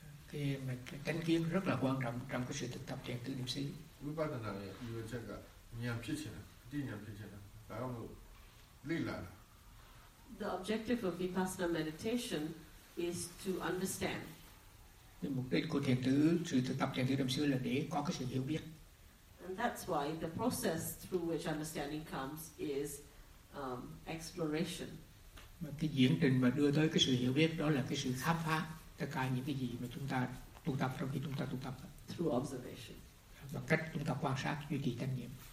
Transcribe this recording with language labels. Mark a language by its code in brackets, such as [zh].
[vi] Cái mà tránh kiến rất là quan trọng trong cái sự thực tập thiền tứ niệm xứ. Vipassana là như vậy chắc là niệm phi chuyển, đi niệm phi chuyển, đại ông lý là. [en] The objective of vipassana meditation is to understand. [vi] Mục đích của thiền tứ sự thực tập thiền tứ niệm xứ là để có cái sự hiểu biết. [en] And that's why the process through which understanding comes is exploration. [vi] Mà cái diễn trình mà đưa tới cái sự hiểu biết đó là cái sự khám phá tất cả những cái gì mà chúng ta tu tập trong khi chúng ta tu tập. [en] Through observation. [vi] Và cách chúng ta quan sát duy trì tâm niệm.